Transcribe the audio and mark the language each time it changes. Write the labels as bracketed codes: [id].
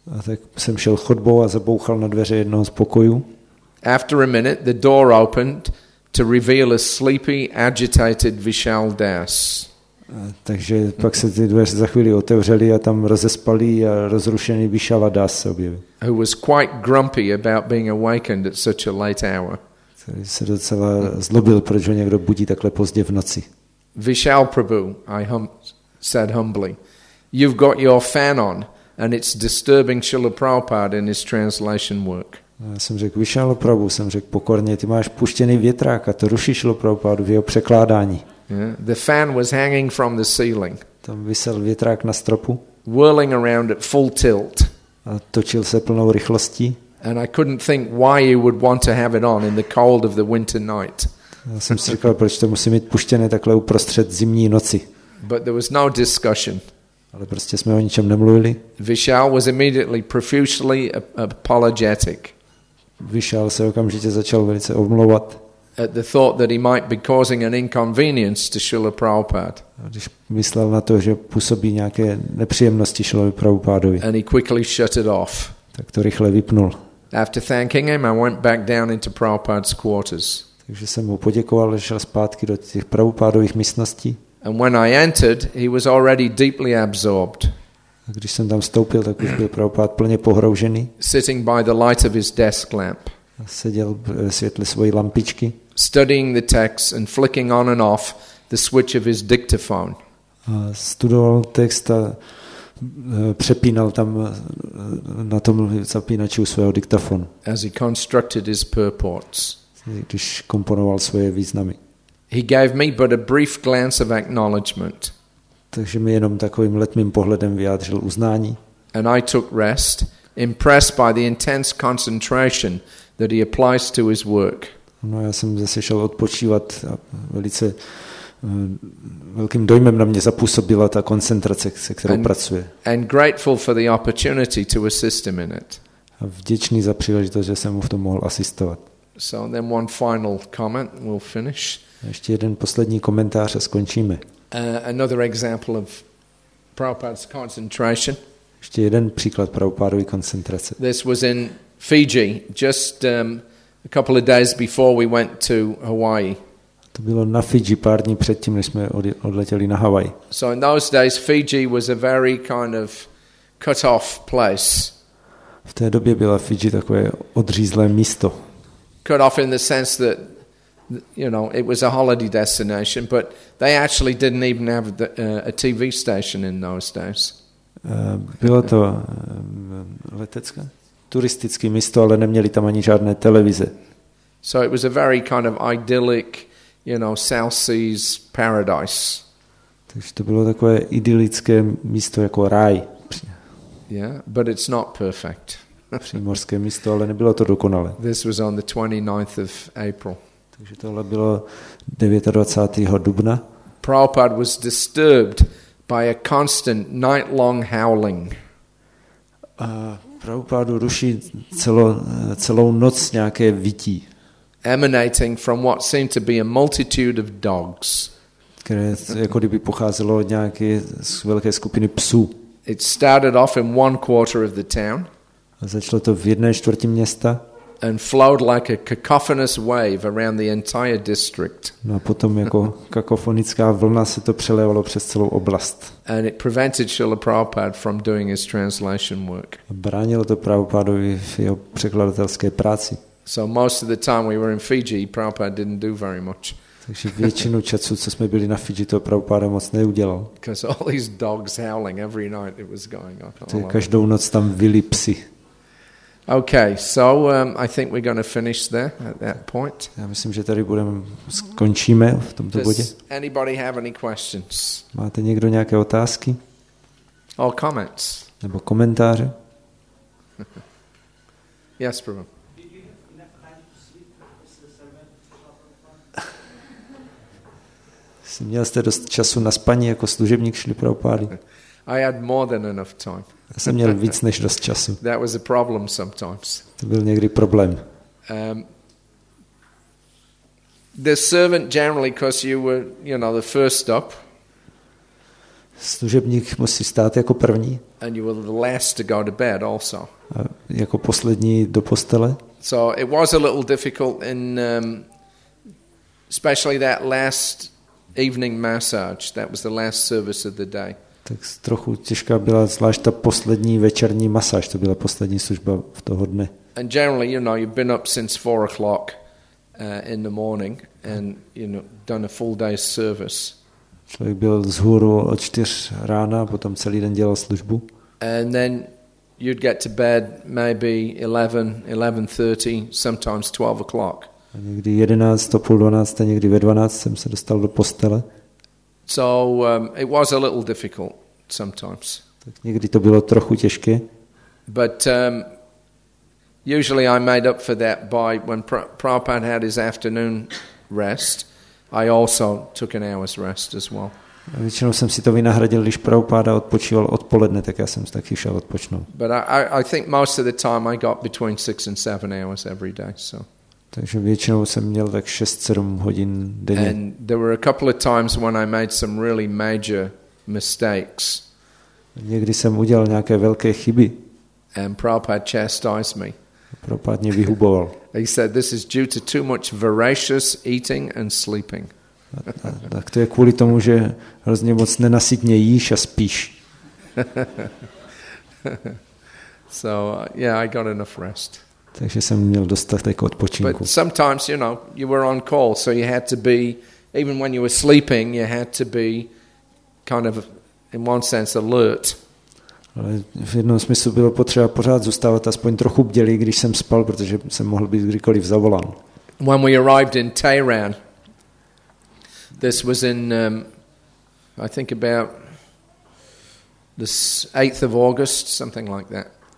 [cs] A tak jsem šel chodbou a zabouchal na dveře jednoho z pokojů. [en] After a minute, the door opened to reveal a sleepy, agitated Vishal Das. [cs] Takže pak se ty dveře za chvíli otevřely a tam rozespalý a rozrušený Vishal Das se objevil. [en] Who was quite grumpy about being awakened at such a late hour. [cs] Který se docela zlobil, proč ho někdo budí takhle pozdě v noci. [en] Vishal Prabhu, I said humbly, you've got your fan on. And it's disturbing Srila Prabhupada in his translation work. [cs] A já jsem řekl, vyšel Prabhu, jsem řekl pokorně, ty máš puštěný větrák a to rušíš Prabhupádu v jeho překládání. [en] Yeah. The fan was hanging from the ceiling. [cs] Tam visel větrák na stropu. [en] Whirling around at full tilt. [cs] A točil se plnou rychlostí. [en] And I couldn't think why you would want to have it on in the cold of the winter night. [cs] Já jsem si říkal, proč to musí mít puštěné takhle uprostřed zimní noci. [en] But there was no discussion. [cs] Ale prostě jsme o ničem nemluvili. [en] Vishal was immediately profusely apologetic. [cs] Vishal se okamžitě začal velice omlouvat. [en] At the thought that he might be causing an inconvenience to Srila Prabhupada. [cs] Když myslel na to, že působí nějaké nepříjemnosti Srilovi Prabhupádovi. [en] And he quickly shut it off. [cs] Tak to rychle vypnul. [en] After thanking him, I went back down into Prabhupada's quarters. [cs] Takže jsem mu poděkoval, že šel zpátky do těch Prabhupádových místností. [en] And when I entered, he was already deeply absorbed. [cs] A když jsem tam vstoupil, tak už byl Prabhupád plně pohroužený. [en] Sitting by the light of his desk lamp. [cs] A seděl ve světle své lampičky. [en] Studying the text and flicking on and off the switch of his dictaphone. [cs] A studoval text a přepínal tam na tom zapínači u svého diktafonu. [en] As he constructed his purports. [cs] Když komponoval svoje významy. [en] He gave me but a brief glance of acknowledgement. [cs] Takže mi jenom takovým letmým pohledem vyjádřil uznání. [en] And I took rest, impressed by the intense concentration that he applies to his work. [cs] No, já jsem zase šel odpočívat a velice velkým dojmem na mě zapůsobila ta koncentrace, se kterou pracuje. [en] And grateful for the opportunity to assist him in it. [cs] A vděčný za příležitost, že jsem mu v tom mohl asistovat. [en] So then one final comment, we'll finish. [cs] Ještě jeden poslední komentář a skončíme. [en] Another example of Prabhupada's concentration. [cs] Ještě jeden příklad Prabhupádovy koncentrace. [en] This was in Fiji, just a couple of days before we went to Hawaii. [cs] To bylo na Fiji pár dní předtím, než jsme odletěli na Hawaii. [en] So in those days Fiji was a very kind of cut off place. [cs] V té době byla Fiji takové odřízlé místo. [en] Cut off in the sense that, you know, it was a holiday destination, but they actually didn't even have a TV station in those days. [cs] Bylo to letecké? Turistické místo, ale neměli tam ani žádné televize. [en] So it was a very kind of idyllic, you know, South Seas paradise. [cs] Takže to bylo takové idylické místo jako ráj. [en] Yeah, but it's not perfect. [cs] Přímořské místo, ale nebylo to dokonalé. [en] This was on the 29th of April. [cs] Takže tohle bylo 29. dubna. [en] Prabhupada was disturbed by a constant night-long howling. [cs] Prabhupádu ruší celou noc nějaké vytí. [en] Emanating from what seemed to be a multitude of dogs. [cs] Které jako kdyby pocházelo od nějaké velké skupiny psů. [en] It started off in one quarter of the town. [cs] Začalo to v jedné čtvrti města. [en] And flowed like a cacophonous wave around the entire district. [cs] No a potom jako kakofonická vlna se to přelévalo přes celou oblast. [en] And it prevented Srila Prabhupada from doing his translation work. [cs] Bránilo to Prabhupádovi v jeho překladatelské práci. [en] So most of the time we were in Fiji, Prabhupada didn't do very much. [cs] Takže většinu času, co jsme byli na Fiji, to Prabhupada moc neudělal. [en] Because all these dogs howling every night, it was going on. [cs] Každou noc tam vyli psi. [en] Okay, so I think we're going to finish there at that point. [cs] Já myslím, že tady budeme skončíme v tomto bodě. [en] Does anybody have any questions? [cs] Máte někdo nějaké otázky? [en] Or comments? [cs] Nebo komentáře? [en] Yes, Prabhu. [cs] Měl jste dost času na spaní jako služebník Šrily Prabhupády? [en] I had more than enough time. [cs] Já jsem měl víc než dost času. [en] That was a problem sometimes. [cs] To byl někdy problém. [en] The servant generally, because you were, you know, the first up. [cs] Služebník musí stát jako první. [en] And you were the last to go to bed also. [cs] A jako poslední do postele. [en] So it was a little difficult in especially that last evening massage. That was the last service of the day. [cs] Tak trochu těžká byla zvlášť ta poslední večerní masáž, to byla poslední služba v toho dne. [en] And generally, you know, you've been up since 4 o'clock in the morning and, you know, done a full day's service. [cs] Člověk byl zhůru od 4 rána, potom celý den dělal službu. [en] And then you'd get to bed maybe 11, 11:30, sometimes 12 o'clock. [cs] A někdy 11, to půl 12, někdy ve 12 jsem se dostal do postele. [en] So it was a little difficult sometimes. [cs] Tak někdy to bylo trochu těžké. [en] But usually I made up for that by when Prabhupada had his afternoon rest, I also took an hour's rest as well. [cs] A většinou jsem si to vynahradil, když Prabhupada odpočíval odpoledne, tak já jsem si taky šel odpočnout. [en] But I think most of the time I got between 6 and 7 hours every day, so. [cs] Takže většinou jsem měl tak 6-7 hodin denně. [en] And there were a couple of times when I made some really major mistakes. [cs] Někdy jsem udělal nějaké velké chyby. [en] And Prabhupada chastised me. [cs] Prabhupada mě vyhuboval. [en] He said this is due to too much voracious eating and sleeping. [cs] Tak to je kvůli tomu, že hrozně moc nenasytně jíš a spíš. [en] So, yeah, I got enough rest. [cs] Takže jsem měl dostatek odpočinku. [en] But sometimes, you know, you were on call, so you had to be, even when you were sleeping, you had to be kind of, in one sense, alert. [cs] Ale v jednom smyslu bylo potřeba pořád zůstávat aspoň trochu bdělý, když jsem spal, protože jsem mohl být kdykoliv zavolán. [en] When we arrived in Tehran, this was in, I think about the 8th of August, something like that.